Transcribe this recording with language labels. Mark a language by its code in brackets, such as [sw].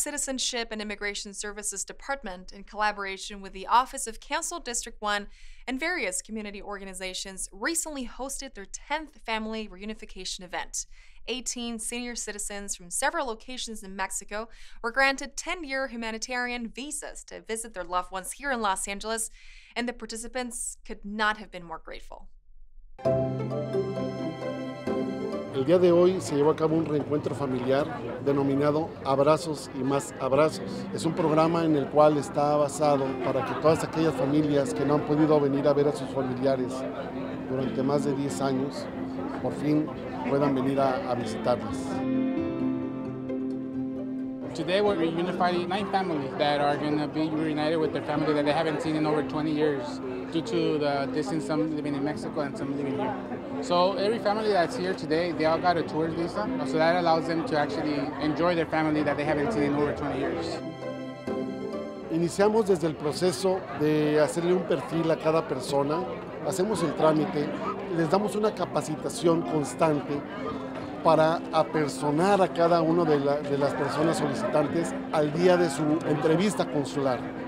[en] Citizenship and Immigration Services Department, in collaboration with the Office of Council District 1 and various community organizations, recently hosted their 10th family reunification event. 18 senior citizens from several locations in Mexico were granted 10-year humanitarian visas to visit their loved ones here in Los Angeles, and the participants could not have been more grateful. [es] El día de hoy se llevó a cabo un reencuentro familiar denominado Abrazos y Más Abrazos. Es un programa en el cual está basado para que todas aquellas familias que no han podido venir a ver a sus familiares durante más de 10 años, por fin puedan venir a visitarlas. [en] Today we're reunifying 9 families that are going to be reunited with their family that they haven't seen in over 20 years due to the distance, some living in Mexico and some living here. So every family that's here today, they all got a tour visa, so that allows them to actually enjoy their family that they haven't seen in over 20 years. [es] Iniciamos desde el proceso de hacerle un perfil a cada persona, hacemos el trámite, les damos una capacitación constante para apersonar a cada uno de las personas solicitantes al día de su entrevista consular.